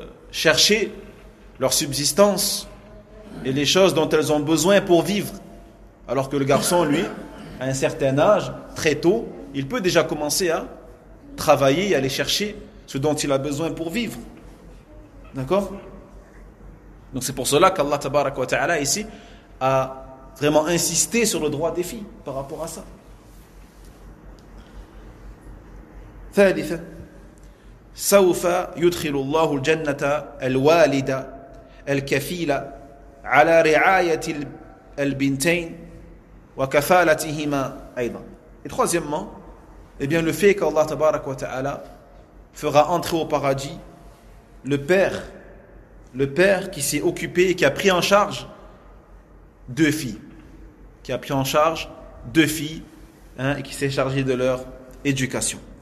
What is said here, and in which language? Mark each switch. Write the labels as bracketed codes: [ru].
[fr] chercher leur subsistance et les choses dont elles ont besoin pour vivre, alors que le garçon, lui, à un certain âge, très tôt, il peut déjà commencer à travailler et aller chercher ce dont il a besoin pour vivre. D'accord? Donc c'est pour cela qu'Allah tabarak wa ta'ala ici a vraiment insisté sur le droit des filles par rapport à ça. [ar] ثالثا سوف يدخل الله الجنة الوالدة الكفيلة على رعاية البنتين وكفالتهما أيضا. [fr] Et troisièmement, eh bien le fait qu'Allah tabarak wa ta'ala fera entrer au paradis le père qui s'est occupé et qui a pris en charge deux filles. Qui a pris en charge deux filles, hein, et qui s'est chargé de leur éducation.